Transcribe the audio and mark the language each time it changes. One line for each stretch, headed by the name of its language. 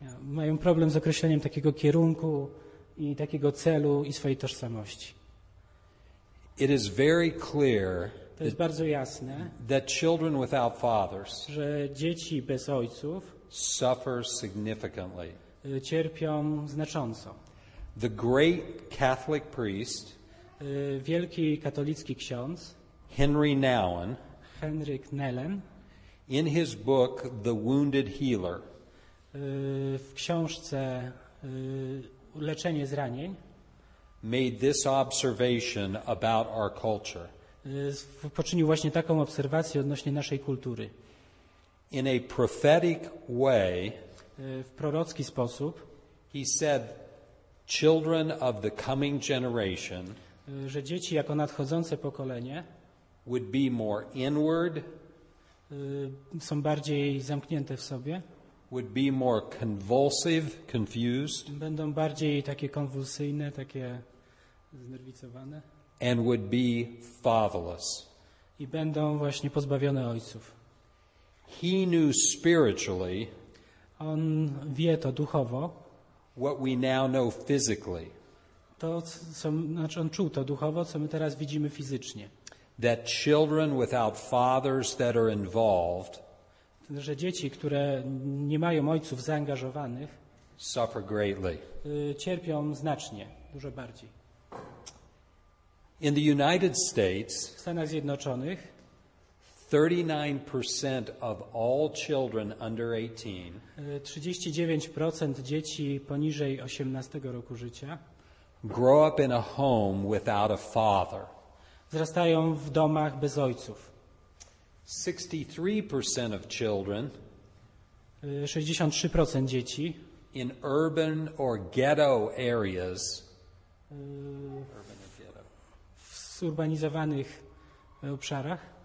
Polish: Mają problem z określeniem takiego kierunku i takiego celu i swojej tożsamości.
English: It is very clear
Polish: to jest bardzo jasne,
English: that children without fathers,
Polish: że dzieci bez ojców
English: suffer significantly.
Polish: Cierpią znacząco.
English: The great Catholic priest,
Polish: wielki katolicki ksiądz
English: Henry Nouwen,
Polish: Henryk Nouwen,
English: in his book The Wounded Healer,
Polish: w książce Leczenie zranień,
English: made this observation about our culture.
Polish: Poczynił właśnie taką obserwację odnośnie naszej kultury.
English: In a prophetic way,
Polish: w prorocki sposób,
English: he said, children of the coming generation,
Polish: że dzieci jako nadchodzące pokolenie,
English: would be more inward,
Polish: są bardziej zamknięte w sobie,
English: would be more convulsive, confused,
Polish: będą bardziej takie konwulsyjne, takie znerwicowane,
English: and would be fatherless,
Polish: i będą właśnie pozbawione ojców.
English: He knew spiritually,
Polish: on wie to duchowo,
English: what we now know physically,
Polish: to co, znaczy on czuł to duchowo, co my teraz widzimy fizycznie,
English: that children without fathers that are involved,
Polish: że dzieci, które nie mają ojców zaangażowanych,
English: suffer greatly,
Polish: cierpią znacznie, dużo bardziej.
English: In the United States,
Polish: w Stanach Zjednoczonych,
English: 39% of all children under 18,
Polish: 39% dzieci poniżej 18 roku życia,
English: grow up in a home without a father.
Polish: Wzrastają w domach bez ojców.
English: 63% of children,
Polish: 63% dzieci,
English: in urban or ghetto areas, urban or ghetto,
Polish: w zurbanizowanych obszarach,